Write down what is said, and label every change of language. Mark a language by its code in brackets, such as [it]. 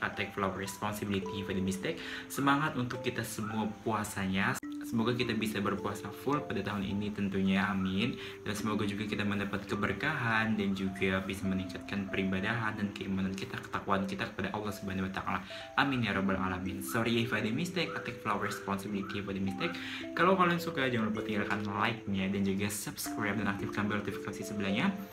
[en] I take full responsibility if I had a mistake. [id] Semangat untuk kita semua puasanya. Semoga kita bisa berpuasa full pada tahun ini tentunya, amin. Dan semoga juga kita mendapat keberkahan dan juga bisa meningkatkan peribadahan dan keimanan kita, ketakwaan kita kepada Allah Subhanahu wa taala. Amin ya rabbal alamin. [en] Sorry if I did mistake, I take full responsibility for the mistake. [id] Kalau kalian suka jangan lupa tinggalkan like-nya dan juga subscribe dan aktifkan bell notifikasi sebelahnya.